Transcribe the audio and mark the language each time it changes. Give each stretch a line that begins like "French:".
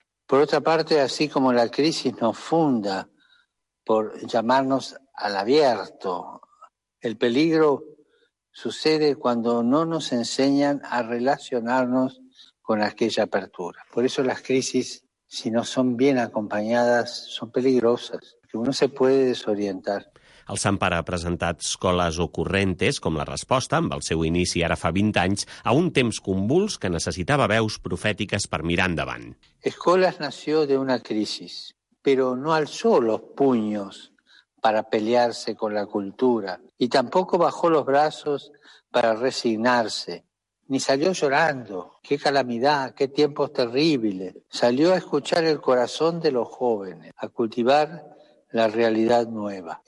Spanish: Por otra parte, así como la crisis nos funda por llamarnos al abierto, el peligro sucede cuando no nos enseñan a relacionarnos con aquella apertura. Por eso las crisis, si no son bien acompañadas, son peligrosas. Uno se puede desorientar.
Catalan: El Sant Pare ha presentat Scholas Occurrentes com la resposta, amb el seu inici ara fa 20 anys, a un temps convuls que necessitava veus profètiques per mirar endavant.
Spanish: Scholas nació de una crisis, pero no alzó los puños para pelearse con la cultura y tampoco bajó los brazos para resignarse, ni salió llorando. ¡Qué calamidad! ¡Qué tiempos terribles! Salió a escuchar el corazón de los jóvenes, a cultivar la realidad nueva.